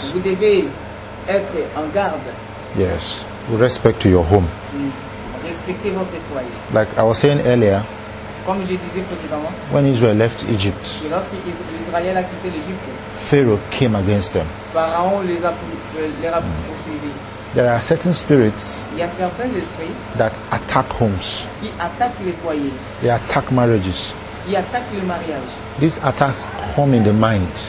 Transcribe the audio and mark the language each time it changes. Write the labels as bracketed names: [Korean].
[French] Vous devez être en garde. [English] Yes, with respect to your home. [French] Respectez votre foyer. [English] Like I was saying earlier, [French] comme je disais précédemment, [English] when Israel left Egypt, [French] lorsque Israël a quitté l'Égypte, [English] Pharaoh came against them. [French] Pharaon les a poursuivis. [English] There are certain spirits [French] il y a certains esprits [English] that attack homes. [French] Qui attaquent les foyers. [English] They attack marriages. [French] Qui attaquent le mariage. [English] These attacks come in the mind.